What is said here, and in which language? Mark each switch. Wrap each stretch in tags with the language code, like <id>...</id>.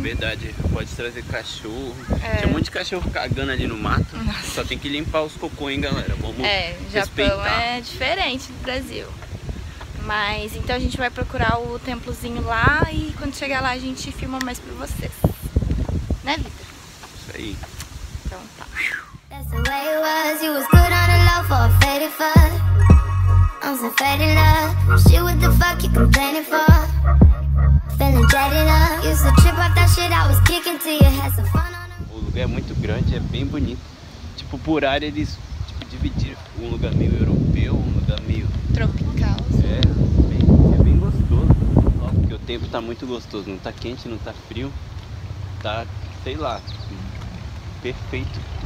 <pt>Verdade, pode trazer cachorro. É. Tem um monte de cachorro cagando ali no mato. Nossa. Só tem que limpar os cocô, hein, galera. Vamos respeitar. Japão é diferente do Brasil. Mas então a gente vai procurar o templozinho lá e quando chegar lá a gente filma mais pra vocês. Né, Vitor? Isso aí.</pt> <en>The way it was, you was good on the low for a faded fuck. On some faded love, shit, what the fuck you complaining for? Feeling jaded up, used to trip off that shit I was kicking till you had some fun on</en> <pt>the... O lugar é muito grande, é bem bonito. Tipo, por área eles tipo, dividiram um lugar meio europeu, um lugar meio... tropical. É bem gostoso. Ó, porque o tempo tá muito gostoso, não tá quente, não tá frio. Tá, sei lá, perfeito.</pt>